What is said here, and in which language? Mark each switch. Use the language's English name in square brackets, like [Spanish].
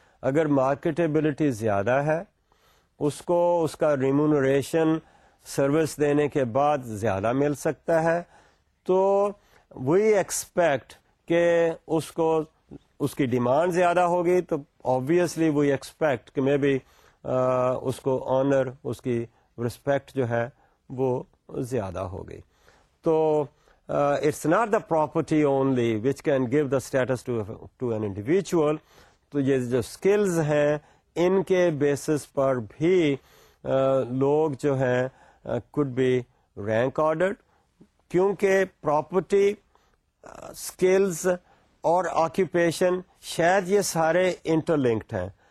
[Urdu] اگر مارکیٹیبلٹی زیادہ ہے, اس کو اس کا ریمونریشن سروس دینے کے بعد زیادہ مل سکتا ہے, تو [English] we expect [Urdu] کہ اس کو اس کی ڈیمانڈ زیادہ ہوگی تو [English] obviously we expect [Urdu] کہ مے بی اس کو آنر, اس کی رسپیکٹ جو ہے وہ زیادہ ہوگی. [English] تو it's not the property only which can give the status to an individual. [Urdu] تو یہ جو اسکلز ہیں ان کے بیسس پر بھی لوگ جو ہیں [English] could be rank ordered, [Urdu] کیونکہ پراپرٹی, اسکلز اور آکیوپیشن شاید یہ سارے انٹر لنکڈ ہیں.